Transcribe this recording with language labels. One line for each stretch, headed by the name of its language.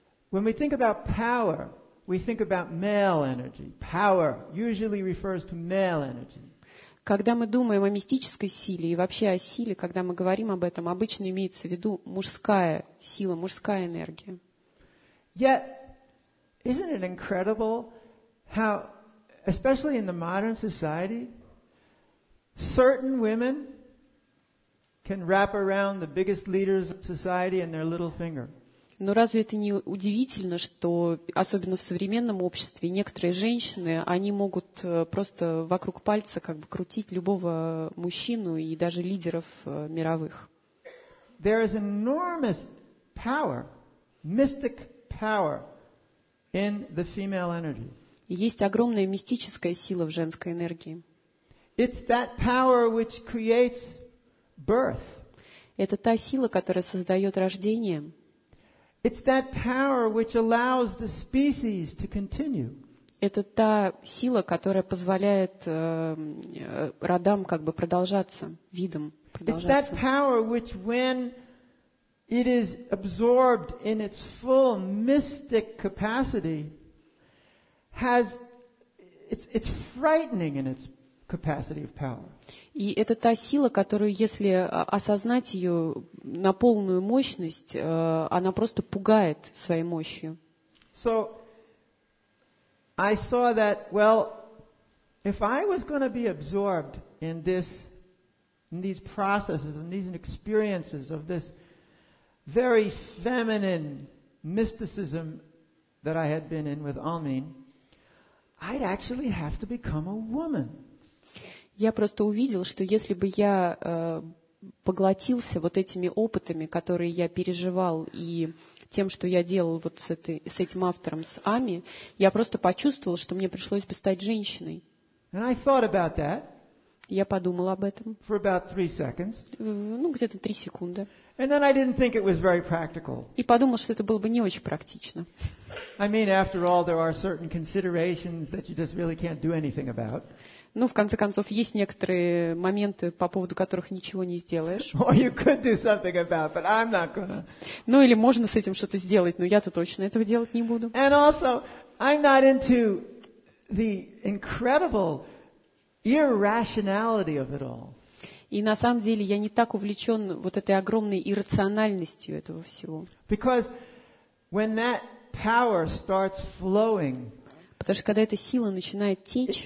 English: When we think about power, we think about male energy. Power usually refers to male energy.
Russian: Когда мы думаем о мистической силе и вообще о силе, когда мы говорим об этом, обычно имеется в виду мужская сила, мужская энергия.
English: Yet, isn't it incredible how, especially in the modern society, certain women can wrap around the biggest leaders of society and their little finger?
Russian: Но разве это не удивительно, что, особенно в современном обществе, некоторые женщины, они могут просто вокруг пальца как бы крутить любого мужчину и даже лидеров мировых?
English: There is enormous power, mystic power, in the female energy.
Russian: Есть огромная мистическая сила в женской энергии.
English: It's that power which creates birth.
Russian: Это та сила, которая создает рождение.
English: It's that power which allows the species to continue.
Russian: Это та сила, которая позволяет родам как бы продолжаться, видам продолжаться.
English: It's that power which, when it is absorbed in its full mystic capacity, has it's frightening in its capacity of power.
Russian: И это та сила, которую, если осознать ее на полную мощность, она просто пугает своей мощью.
English: So I saw that, well, if I was going to be absorbed in this, in these processes and these experiences of this very feminine mysticism that I had been in with Almin, I'd actually have to become a woman.
Russian: Я просто увидел, что если бы я поглотился вот этими опытами, которые я переживал, и тем, что я делал вот с этим автором, с Ами, я просто почувствовал, что мне пришлось бы стать женщиной.
English: And I thought about that.
Russian: Я подумал об этом.
English: For about 3 seconds.
Russian: Ну, где-то 3 секунды.
English: And then I didn't think it was very practical.
Russian: И подумал, что это было бы не очень практично.
English: I mean, after all, there are certain considerations that you just really can't do anything about.
Russian: Ну, в конце концов, есть некоторые моменты, по поводу которых ничего не сделаешь.
English: Or you could do something about, but I'm not gonna.
Russian: Ну, или можно с этим что-то сделать, но я-то точно этого делать не буду.
English: And also, I'm not into the incredible irrationality of it all.
Russian: И на самом деле я не так увлечен вот этой огромной иррациональностью этого всего.
English: Because when that power starts flowing,
Russian: потому что когда эта сила начинает течь,